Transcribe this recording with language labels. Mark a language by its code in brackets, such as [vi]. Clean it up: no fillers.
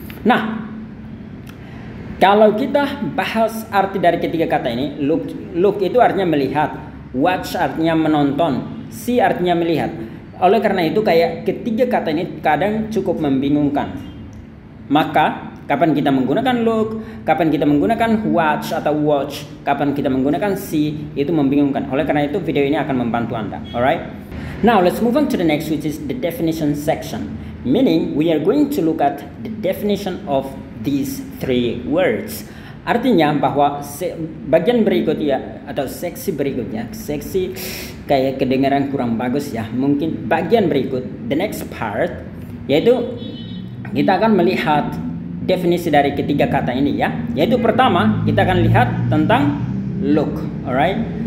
[id] Nah, kalau kita bahas arti dari ketiga kata ini, look, look itu artinya melihat, watch artinya menonton, see artinya melihat. Oleh karena itu, kayak ketiga kata ini kadang cukup membingungkan. Maka, kapan kita menggunakan look, kapan kita menggunakan watch atau watch, kapan kita menggunakan see, itu membingungkan. Oleh karena itu, video ini akan membantu Anda. [en] Alright? Now, let's move on to the next, which is the definition section. Meaning, we are going to look at the definition of these three words. [id] Artinya, bahwa bagian berikutnya, atau seksi berikutnya, seksi kayak kedengaran kurang bagus ya. Mungkin bagian berikut, [en] the next part, [id] yaitu kita akan melihat definisi dari ketiga kata ini ya. Yaitu pertama, kita akan lihat tentang look, alright.